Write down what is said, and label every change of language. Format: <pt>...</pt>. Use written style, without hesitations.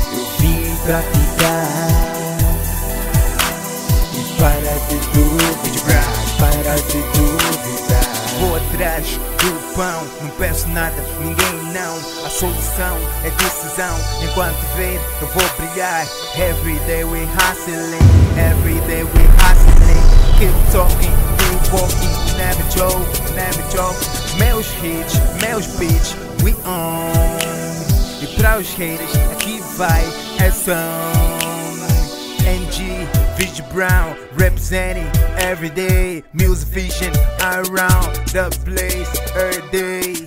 <pt>Eu vim pra ficar e para de duvidar. Para de duvidar. Vou atrás do pão, não peço nada, ninguém não. A solução é decisão. Enquanto ver, eu vou brilhar.</pt> <en>Every day we hustling, every day we hustling. Keep talking, keep walking. Never joke, never joke.</en> <pt>Meus hits, meus beats,</pt> <en>we on.</en> <pt>E pra os haters, aqui vai a song.</pt> <en>NG, Vigi Brown, representing everyday. Music vision around the place, her day.</en>